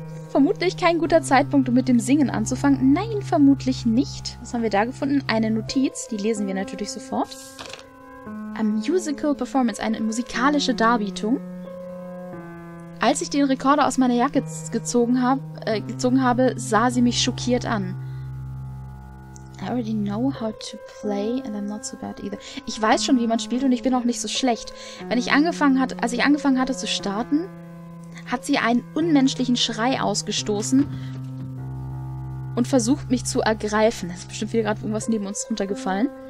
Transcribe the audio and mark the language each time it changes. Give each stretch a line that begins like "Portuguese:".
German: Vermutlich kein guter Zeitpunkt, um mit dem Singen anzufangen. Nein, vermutlich nicht. Was haben wir da gefunden? Eine Notiz. Die lesen wir natürlich sofort.
English: A musical performance.
German: Eine musikalische Darbietung. Als ich den Rekorder aus meiner Jacke gezogen habe, sah sie mich schockiert an.
English: I already know how to play and I'm not so bad either.
German: Ich weiß schon, wie man spielt und ich bin auch nicht so schlecht. Als ich angefangen hatte zu starten, hat sie einen unmenschlichen Schrei ausgestoßen und versucht, mich zu ergreifen. Es ist bestimmt wieder gerade irgendwas neben uns runtergefallen.